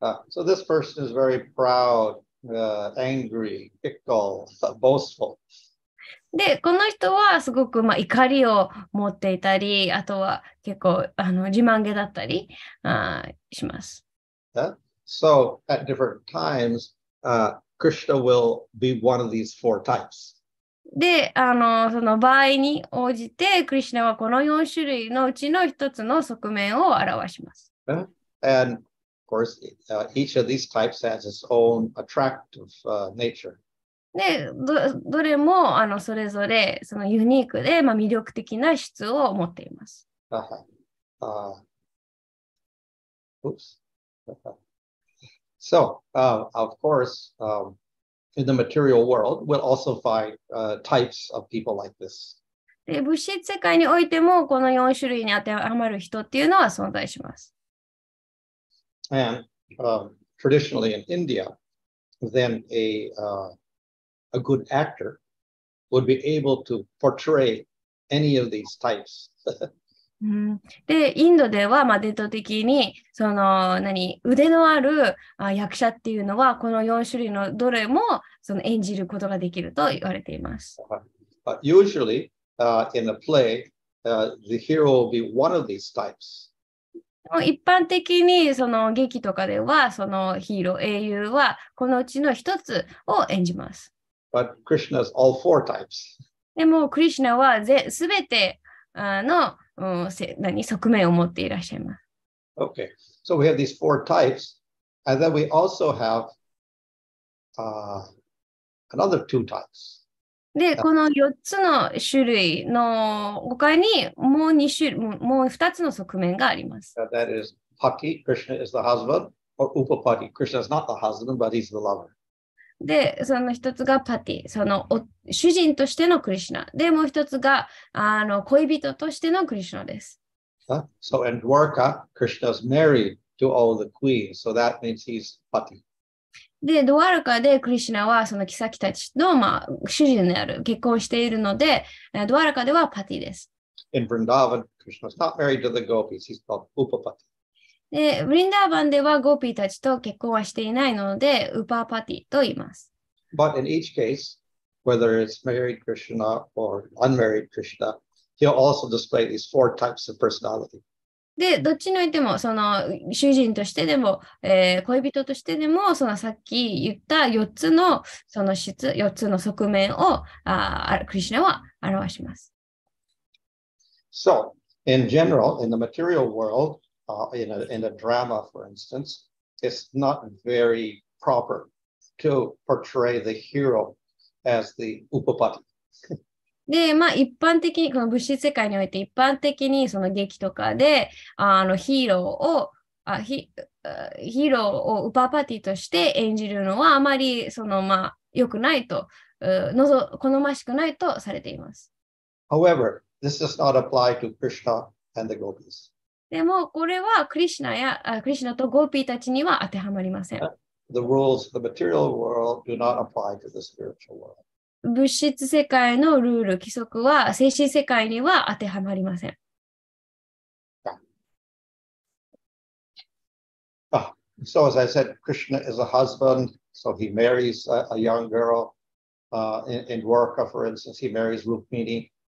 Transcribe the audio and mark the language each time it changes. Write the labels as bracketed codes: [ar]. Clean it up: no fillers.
[en] So this person is very proud, angry, fickle, boastful. [ja] で、この人はすごく、まあ、怒りを持っていたり、あとは結構自慢げだったりします。 Yeah? [en] So at different times, Krishna will be one of these four types. [ja] で、その場合に応じて、クリシュナはこの4種類のうちの一つの側面を表します。 Yeah? [en] And of course, each of these types has its own attractive nature. [ja] で、どれもそれぞれそのユニークで、まあ、魅力的な質を持っています。 Uh-huh. Oops. [en] So, of course, in the material world, we'll also find types of people like this. [ja] で、物質世界においてもこの4種類に当てはまる人っていうのは存在します。 [en] And traditionally in India, then a good actor would be able to portray any of these types. [ja] で、インドでは、まあ、伝統的に、その、何、腕のある役者っていうのは、この4種類のどれも、その、演じることができると言われています。 [en] But usually, in a play, the hero will be one of these types. [ja] 一般的にその劇とかではそのヒーロー、英雄はこのうちの一つを演じます。 [en] But Krishna is all four types. [ja] でもクリシュナは全てのせ何側面を持っていらっしゃいます。 [en] Okay, so we have these four types, and then we also have another two types. [ja] で、この4つの種類の他にもう2種類、もう2つの側面があります。 [en] That is Pati, Krishna is the husband, or Upapati. Krishna is not the husband, but he's the lover. [ja] で、その1つが Pati, その主人としてのクリシュナ。で、もう1つが恋人としてのクリシュナです。 [en] So in Dwarka, Krishna is married to all the queens, so that means he's Pati. [ja] で、ドワルカでクリシュナはそのキサキたちの、まあ、主人である、結婚しているので、ドワルカではパティです。 [en] In Vrindavan, Krishna is not married to the gopis, he's called Upapati. [ja] で、ブリンダーバンではゴピーたちと結婚はしていないので、ウパーパティと言います。 [en] But in each case, whether it's married Krishna or unmarried Krishna, he'll also display these four types of personality. [ja] で、どっちにおいても、その主人としてでも、恋人としてでも、そのさっき言った4つの、その質、4つの側面を、クリシュナは表します。 [en] So, in general, in the material world, in a drama, for instance, it's not very proper to portray the hero as the upapati. [ja] で、まあ一般的にこの物質世界において一般的にその劇とかで、ヒーローを、ヒーローをウパパティとして演じるのはあまりそのまあ良くないと、好ましくないとされています。 [en] However, this does not apply to Krishna and the gopis. [ja] でもこれはクリシナや、クリシナとゴーピーたちには当てはまりません。 [en] The rules of the material world do not apply to the spiritual world. [ja] 物質世界のルール、規則は精神世界には当てはまりません。 Yeah. [en] So as I said, Krishna is a husband, so he marries a young girl. In Dwarka, for instance, he marries Rukmini.